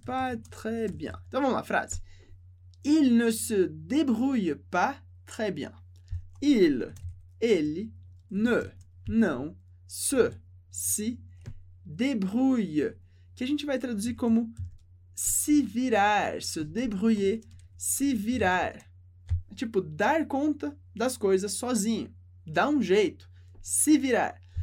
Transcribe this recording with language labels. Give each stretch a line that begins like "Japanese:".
French: Pas très bien.
Portuguese: Então, vamos lá, frase.
French: Il ne se débrouille pas très bien.
Portuguese: Ele, ne, não, se débrouille. Que a gente vai traduzir como se virar, se débrouiller, se virar. É tipo, dar conta das coisas sozinho. Dá um jeito. Se virar.